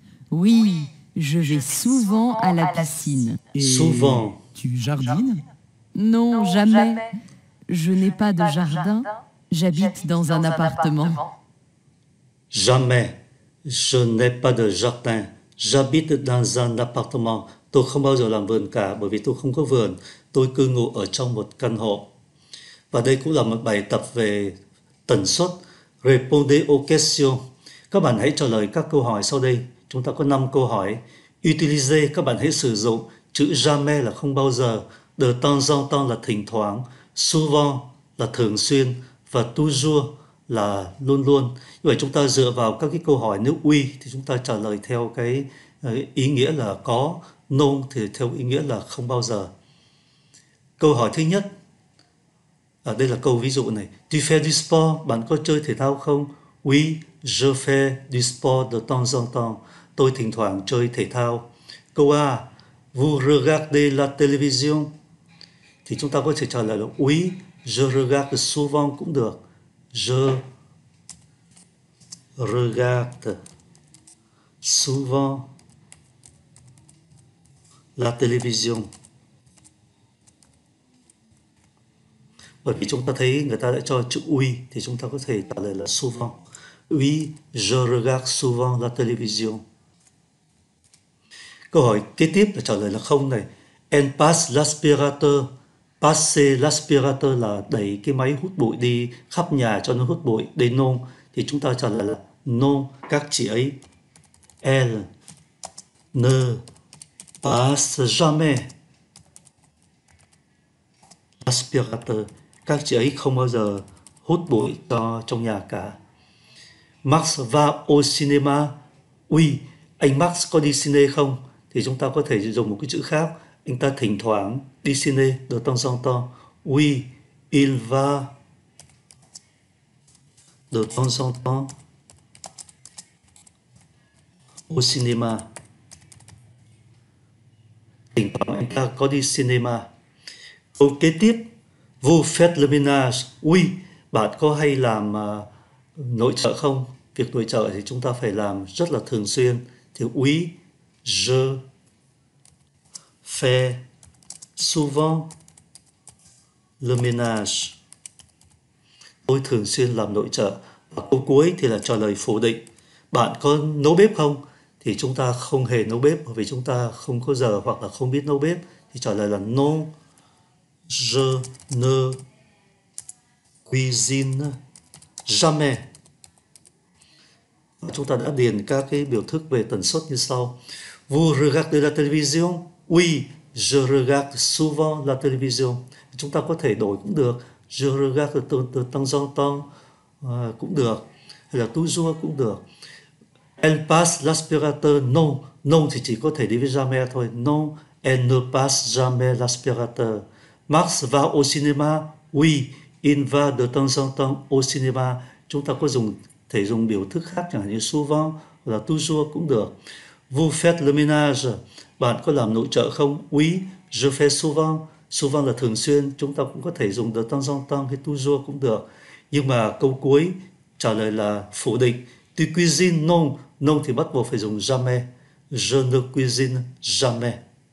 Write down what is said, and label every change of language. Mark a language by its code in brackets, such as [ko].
[fr] Oui, je vais souvent à la piscine. Et souvent. Tu jardines? Non, jamais. Je n'ai pas de jardin. J'habite dans un appartement. Jamais. Je n'ai pas de jardin. J'habite dans un appartement. [vi] Tôi không bao giờ làm vườn cả bởi vì tôi không có vườn. Tôi cư ngụ ở trong một căn hộ. Và đây cũng là một bài tập về tần suất. [fr] Répondez aux questions. [vi] Các bạn hãy trả lời các câu hỏi sau đây. Chúng ta có 5 câu hỏi. [fr] Utiliser, [vi] các bạn hãy sử dụng. Chữ jamais là không bao giờ. [fr] De temps en temps [vi] là thỉnh thoảng. Souvent là thường xuyên. Và toujours là luôn luôn. Như vậy chúng ta dựa vào các cái câu hỏi. Nếu oui thì chúng ta trả lời theo cái ý nghĩa là có. Non thì theo ý nghĩa là không bao giờ. Câu hỏi thứ nhất. À, đây là câu ví dụ này. [fr] Tu fais du sport? [vi] Bạn có chơi thể thao không? [fr] Oui, je fais du sport de temps en temps. [vi] Tôi thỉnh thoảng chơi thể thao. Câu A. [fr] Vous regardez la télévision? [vi] Thì chúng ta có thể trả lời là [fr] oui, je regarde souvent [vi] cũng được. [fr] Je regarde souvent la télévision. [vi] Bởi vì chúng ta thấy người ta đã cho chữ oui, thì chúng ta có thể trả lời là souvent. [fr] Oui, je regarde souvent la télévision. [vi] Câu hỏi kế tiếp là trả lời là không này. [fr] En passe l'aspirateur. Passer l'aspirateur [vi] là đẩy cái máy hút bụi đi khắp nhà cho nó hút bụi. Đây non. Thì chúng ta trả lời là non. Các chị ấy. [fr] Elle ne passe jamais l'aspirateur. [vi] Các chị ấy không bao giờ hút bụi cho trong nhà cả. [fr] Max va au cinéma. [vi] Oui, anh Max có đi ciné không? Thì chúng ta có thể dùng một cái chữ khác. Anh ta thỉnh thoảng đi ciné, [fr] de temps en temps. Oui, il va de temps en temps au cinéma. [vi] Thỉnh thoảng anh ta có đi cinéma. Câu kế tiếp. [fr] Vous faites le ménage. [vi] Oui, bạn có hay làm nội trợ không? Việc nội trợ thì chúng ta phải làm rất là thường xuyên. [fr] Thì oui, je fais souvent le ménage. [vi] Tôi thường xuyên làm nội trợ. Và câu cuối thì là trả lời phủ định. Bạn có nấu bếp không? Thì chúng ta không hề nấu bếp bởi vì chúng ta không có giờ hoặc là không biết nấu bếp. Thì trả lời là non. [fr] Je ne cuisine jamais. [vi] Và chúng ta đã điền các cái biểu thức về tần suất như sau. [fr] Vous regardez la télévision? Oui, je regarde souvent la télévision. [vi] Chúng ta có thể đổi cũng được. [fr] Je regarde de temps en temps [vi] cũng được. Hay là toujours cũng được. [fr] Elle passe l'aspirateur? Non. [vi] Non thì chỉ có thể đi với jamais thôi. [fr] Non, elle ne passe jamais l'aspirateur. Max va au cinéma? Oui, il va de temps en temps au cinéma. [vi] Chúng ta có thể dùng biểu thức khác, chẳng hạn như souvent hoặc là toujours cũng được. [fr] Vous faites le ménage? [vi] Bạn có làm nội trợ không? [fr] Oui, je fais souvent. [vi] Souvent là thường xuyên. Chúng ta cũng có thể dùng [fr] de temps en temps [vi] hay toujours cũng được. Nhưng mà câu cuối trả lời là phủ định. [fr] Tu cuisines? Non. Non [vi] thì bắt buộc phải dùng jamais. [fr] Je ne cuisine jamais.